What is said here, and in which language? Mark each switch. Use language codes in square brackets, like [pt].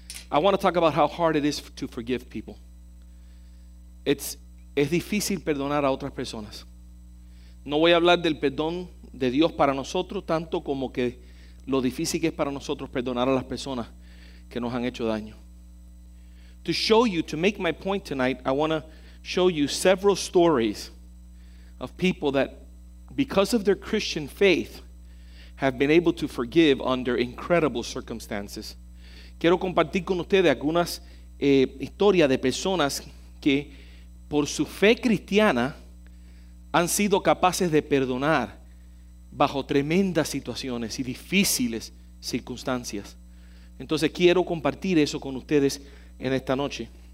[en] I want to talk about how hard it is to forgive people. [es] Es difícil perdonar a otras personas. No voy a hablar del perdón de Dios para nosotros tanto como que lo difícil que es para nosotros perdonar a las personas que nos han hecho daño. [en] To show you, to make my point tonight, I want to show you several stories of people that, because of their Christian faith, have been able to forgive under incredible circumstances. [es] Quiero compartir con ustedes algunas historias de personas que, por su fe cristiana, han sido capaces de perdonar bajo tremendas situaciones y difíciles circunstancias. Entonces, quiero compartir eso con ustedes en esta noche.